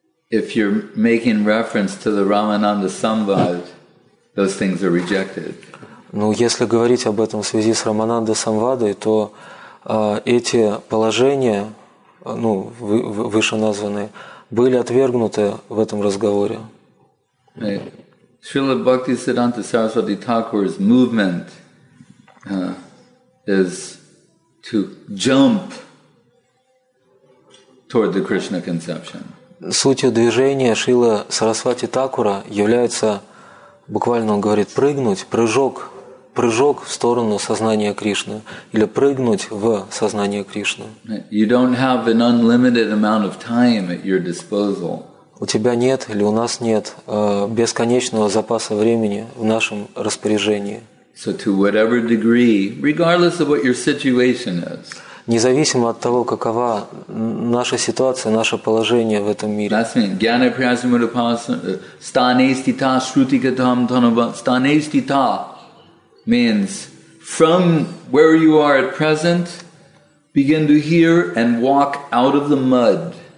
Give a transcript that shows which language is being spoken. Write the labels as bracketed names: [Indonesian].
[English] If you're making reference to the Ramananda Samvad, those things are rejected. [Russian] Ну, если говорить об этом в связи с Рамананда Самвадой, то эти положения, ну, вышеназванные, были отвергнуты в этом разговоре. [English] Srila Bhaktisiddhanta Saraswati Thakur's movement is to jump toward the Krishna conception. [Russian] Сутью движения Шрила Сарасвати Такура является, буквально он говорит, прыжок в сторону сознания Кришны или прыгнуть в сознание Кришны. [English] You don't have an unlimited amount of time at your disposal. [Russian] У тебя нет или у нас нет бесконечного запаса времени в нашем распоряжении. [English] So to whatever degree, regardless of what your situation is. [Russian] Независимо от того, какова наша ситуация, наше положение в этом мире. [English] That's mean. [Sanskrit] Gyana Priyasa Mudapasa, Stanestita Shruti Katam Tanavat. [English] Stanestita means from where you are at present, begin to hear and walk out of the mud.